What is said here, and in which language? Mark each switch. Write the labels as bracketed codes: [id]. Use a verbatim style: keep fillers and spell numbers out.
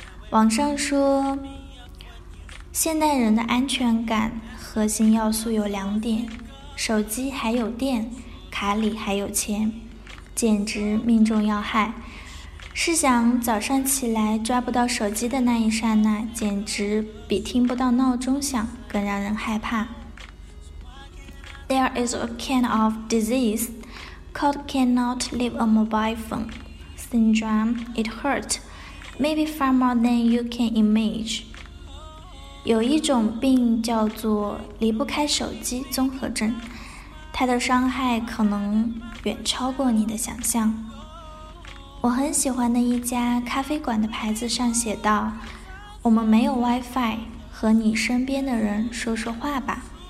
[zh] 网上说，现代人的安全感核心要素有两点，手机还有电，卡里还有钱，简直命中要害。试想早上起来抓不到手机的那一刹那，简直比听不到闹钟响更让人害怕。 [en] There is a kind of disease called cannot leave a mobile phone syndrome. It hurts, maybe far more than you can imagine. [zh] 有一种病叫做离不开手机综合症，它的伤害可能远超过你的想象。我很喜欢的一家咖啡馆的牌子上写道，我们没有 WiFi， 和你身边的人说说话吧。